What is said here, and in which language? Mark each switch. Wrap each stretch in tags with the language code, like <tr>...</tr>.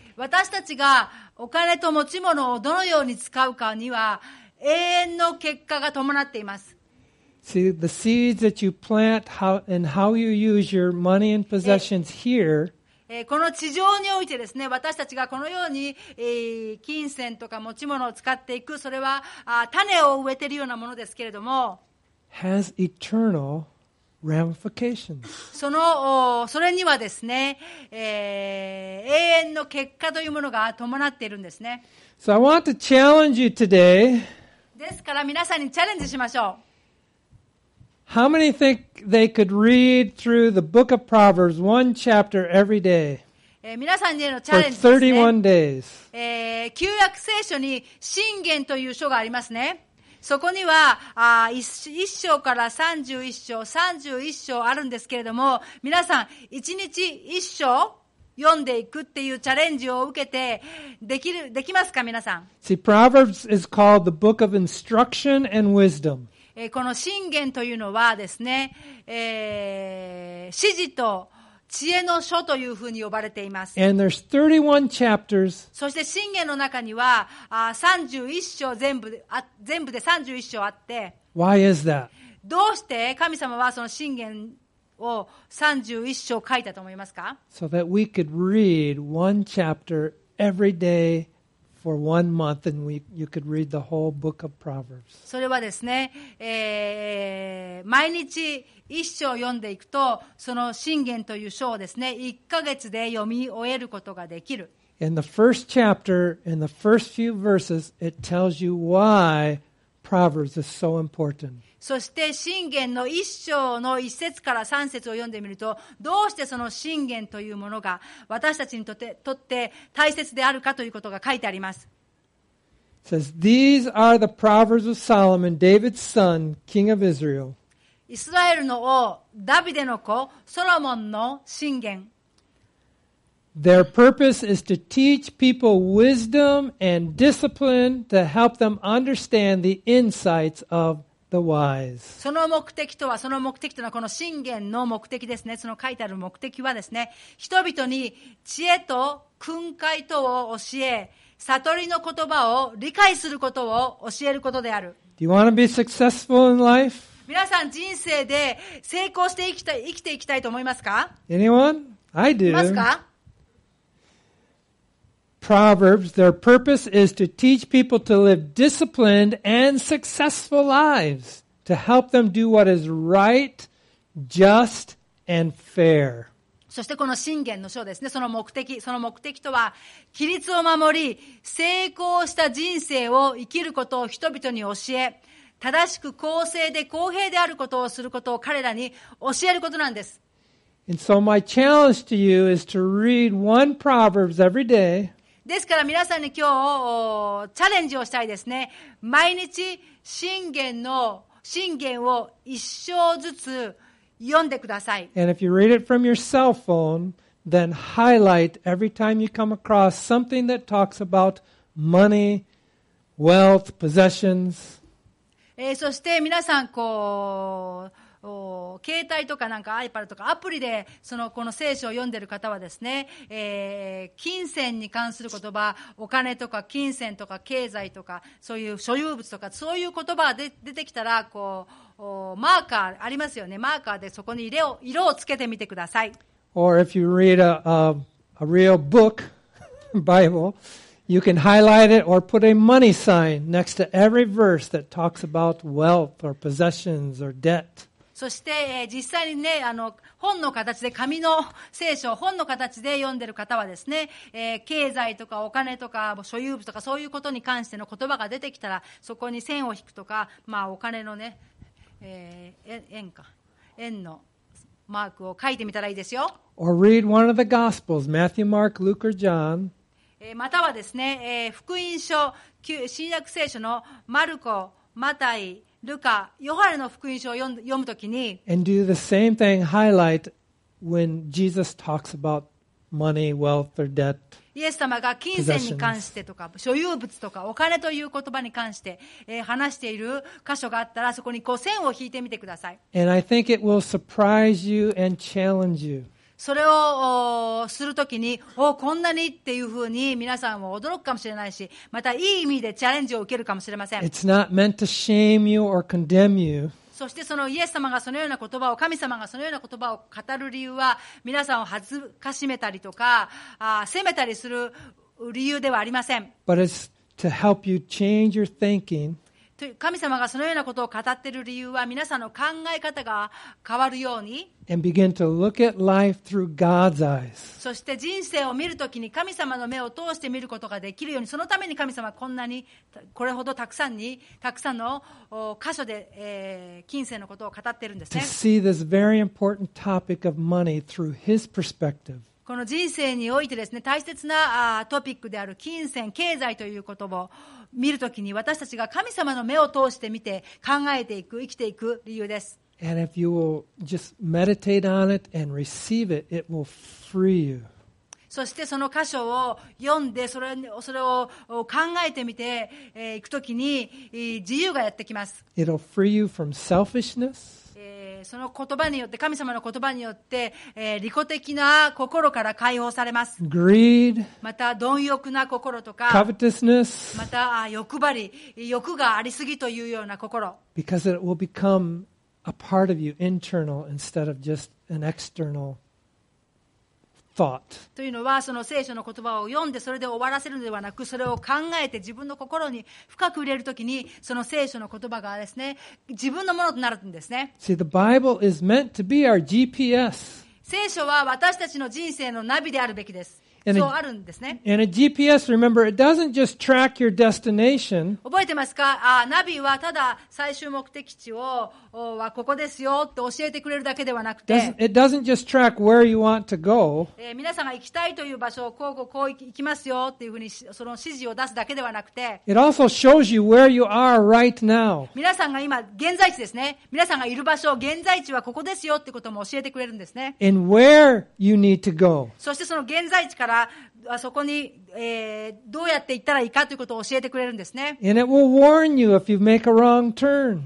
<ja>私たちがお金と持ち物をどのように使うかには永遠の結果が伴っています。</ja> <en>See, the seeds that you plant and how you use your money and possessions here.</en> <ja>この地上においてですね、私たちがこのように、金銭とか持ち物を使っていく、それは種を植えているようなものですけれども、</ja> <en>has eternal ramifications.</en> <ja>それにはですね、永遠の結果というものが伴っているんですね。</ja> <en>So I want to challenge you today.</en> <ja>ですから皆さんにチャレンジしましょう。</ja> <en>How many think they could read through the book of Proverbs one chapter every day?</en> <ja>皆さんへのチャレンジですね。</ja> <en>For 31 days.</en> <ja>旧約聖書に箴言という書がありますね。そこには1章から31章、31章あるんですけれども、皆さん1日1章読んでいくっていうチャレンジを受けてできますか皆さん。</ja> <en>See, Proverbs is called the book of instruction and wisdom.</en> <ja>この箴言というのはですね、指示と知恵の書というふうに呼ばれています。</ja> <en>And there's 31 chapters.</en> <ja>そして箴言の中には、31章全部で31章あって。</ja> <en>Why is that?</en> <ja>どうして神様はその箴言を31章書いたと思いますか</ja> <en>?So that we could read one chapter every day. For one month, and you could read the whole book of Proverbs.</en> <ja>それはですね、毎日一章読んでいくと、その箴言という書をですね、一ヶ月で読み終えることができる。</ja> <en>In the first chapter, in the first few verses, it tells you why Proverbs is so important.</en> <ja>そして箴言の一章の一節から三節を読んでみると、どうしてその箴言というものが私たちにとって大切であるかということが書いてあります。</ja> <en>It says, These are the proverbs of Solomon, David's son, king of Israel.</en> <ja>イスラエルの王、ダビデの子、ソロモンの箴言。</ja> <en>Their purpose is to teach people wisdom and discipline to help them understand the insights of the wise.</en> <ja>その目的というのはこの箴言の目的ですね。その書いてある目的はですね、人々に知恵と訓戒とを教え、悟りの言葉を理解することを教えることである。</ja> <en>Do you want to be successful in life?</en> <ja>皆さん人生で成功して生きていきたいと思いますか</ja> <en>?Anyone? I do.</en> <ja>いますか</ja> <en>Proverbs, their purpose is to teach people to live disciplined and successful lives, to help them do what is right, just, and fair.</en> <ja>そしてこの箴言の書ですね、その目的とは、規律を守り、成功した人生を生きることを人々に教え、正しく公正で公平であることをすることを彼らに教えることなんです。</ja> <en>And so my challenge to you is to read one Proverbs every day.</en> <ja>ですから皆さんに今日チャレンジをしたいですね。毎日箴言を一章ずつ読んでください。</ja> <en>And if you read it from your cell phone, then highlight every time you come across something that talks about money, wealth, possessions.</en> <ja>そして皆さんこう携帯とかなんか iPad とかアプリでそのこの聖書を読んでいる方はですね、金銭に関する言葉、お金とか金銭とか経済とかそういう所有物とかそういう言葉が出てきたらこうマーカーありますよね、マーカーでそこに色をつけてみてください。</ja> <en>Or if you read a real book Bible, you can highlight it or put a money sign next to every verse that talks about wealth or possessions or debt.</en> <ja>そして、実際にね、本の形で、紙の聖書を本の形で読んでる方はですね、経済とかお金とか所有物とかそういうことに関しての言葉が出てきたら、そこに線を引くとか、まあお金のね、円のマークを書いてみたらいいですよ。</ja> <en>Or read one of the Gospels, Matthew, Mark, Luke, or John.</en> <ja>またはですね、福音書、新約聖書のマルコ、マタイ、ルカ、ヨハネの福音書を読むときに、</ja> <en>And do the same thing, highlight when Jesus talks about money, wealth, or debt.</en> <ja>イエス様が金銭に関してとか、所有物とか、お金という言葉に関して、話している箇所があったら、そこにこう線を引いてみてください。</ja> <en>And I think it will surprise you and challenge you.</en> <ja>それをするときに、お、こんなにっていうふうに皆さんも驚くかもしれないし、またいい意味でチャレンジを受けるかもしれません。</ja> <en>It's not meant to shame you or condemn you.</en> <ja>そしてそのイエス様がそのような言葉を、神様がそのような言葉を語る理由は、皆さんを恥ずかしめたりとか、責めたりする理由ではありません。</ja> <en>But it's to help you change your thinking.</en> <ja>神様がそのようなことを語っている理由は皆さんの考え方が変わるように</ja> <en>And begin to look at life through God's eyes.</en> <ja>そして人生を見るときに神様の目を通して見ることができるようにそのために神様はこんなにこれほどたくさんの箇所で、金銭のことを語っているんですね</ja> <en>To see this very important topic of money through His perspective.</en> <ja>この人生においてですね、大切なトピックである金銭、経済ということを見るときに、私たちが神様の目を通して見て考えていく、生きていく理由です。</ja> <en>And if you will just meditate on it and receive it, it will free you.</en> <ja>そしてその箇所を読んで、それを考えてみて、いくときに、自由がやってきます。</ja> <en>It'll free you from selfishness.</en> <ja>その言葉によって神様の言葉によって、利己的な心から解放されます。</ja> <en>Greed,</en> <ja>また貪欲な心とか、</ja> <en>covetousness,</en> <ja>また欲張り、欲がありすぎというような心。</ja> <en>Because it will become a part of you internal instead of just an external. Thought.</en> <ja>というのはその聖書の言葉を読んでそれで終わらせるのではなくそれを考えて自分の心に深く入れるときにその聖書の言葉がですね自分のものとなるんですね</ja> <en>See, the Bible is meant to be our GPS.</en> <ja>聖書は私たちの人生のナビであるべきですそうあるんですね</ja> <en>And a GPS, remember, it doesn't just track your destination.</en> <ja>覚えてますか？ナビはただ最終目的地をはここですよって教えてくれるだけではなくて</ja> <en>It doesn't just track where you want to go.</en> <ja>皆さんが行きたいという場所をこう行きますよっていうふうにその指示を出すだけではなくて</ja> <en>It also shows you where you are right now.</en> <ja>皆さんが今現在地ですね。皆さんがいる場所、現在地はここですよってことも教えてくれるんですね</ja> <en>And where you need to go.</en> <ja>そしてその現在地からそこに、どうやって行ったらいいかということを教えてくれるんですね。</ja> <en>And it will warn you if you make a wrong turn.</en>